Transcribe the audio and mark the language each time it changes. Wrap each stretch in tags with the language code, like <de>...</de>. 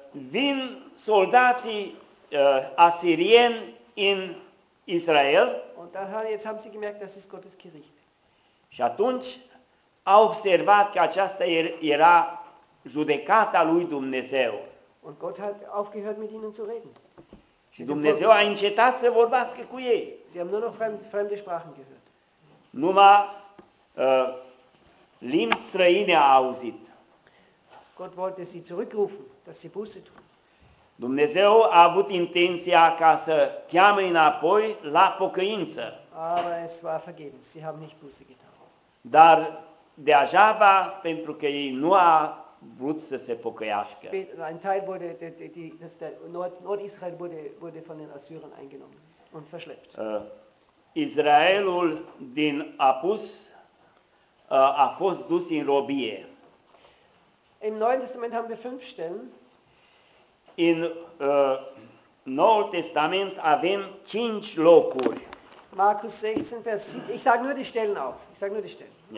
<ro>Vin soldații asirieni în Israel.</ro> <de>Und daher jetzt haben sie gemerkt, das ist Gottes Gericht.</de> <ro>Și atunci au observat că aceasta era judecata lui Dumnezeu.</ro> <de>Und Gott hat aufgehört mit ihnen zu reden.</de> <ro>Și Dumnezeu a încetat să vorbească cu ei.</ro> <de>Sie haben nur noch fremde Sprachen gehört.</de> <ro>Numai limbi străine a auzit.</ro> <de>Gott wollte sie zurückrufen, dass sie Buße tun.</de> <ro>Dumnezeu a avut intenția ca să cheamă înapoi la pocăință.</ro> <de>Aber es war vergebens. Sie haben nicht Buße getan.</de> <ro>Dar deajaba, pentru că ei nu a vrut să se pocăiască.</ro> <de>Ein Teil wurde Nord-Israel wurde von den Assyrern eingenommen und verschleppt.</de> <ro>Israelul din Apus a fost dus în robie.</ro> <de>Im Neuen Testament haben wir 5 Stellen.</de> <ro>In Noul Testament avem 5 locuri.</ro> <de>Markus 16 Vers 7. Ich sage nur die Stellen auf. Ich sage nur die Stellen.</de>